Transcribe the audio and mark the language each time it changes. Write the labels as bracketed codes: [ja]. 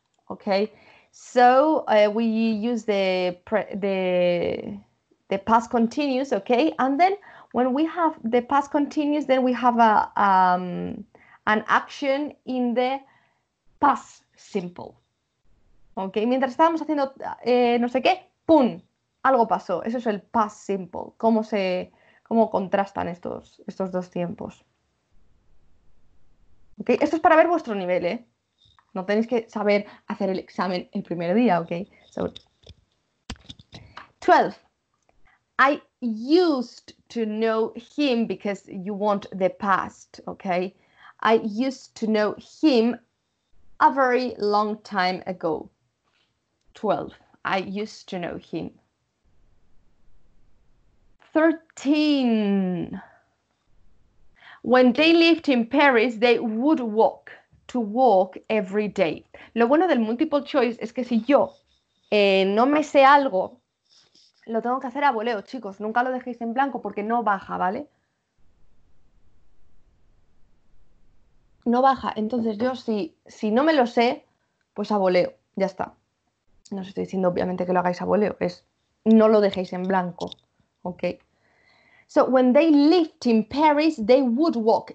[en] Okay, so we use the past continuous, okay? And then when we have the past continuous, then we have an action in the past simple. [es] Okay, mientras estábamos haciendo no sé qué, ¡pum! Algo pasó. Eso es el past simple. ¿Cómo contrastan estos dos tiempos? Okay, esto es para ver vuestro nivel, ¿eh? No tenéis que saber hacer el examen el primer día, ¿ok? [en] So, 12. I used to know him because you want the past, ¿ok? I used to know him a very long time ago. 12. I used to know him. 13. When they lived in Paris, they would walk. To walk every day. [es] Lo bueno del multiple choice es que si yo no me sé algo, lo tengo que hacer a voleo, chicos. Nunca lo dejéis en blanco porque no baja, ¿vale? No baja. Entonces yo si no me lo sé, pues a voleo. Ya está. No os estoy diciendo obviamente que lo hagáis a voleo. Es no lo dejéis en blanco. Ok. [en] So, when they lived in Paris, they would walk.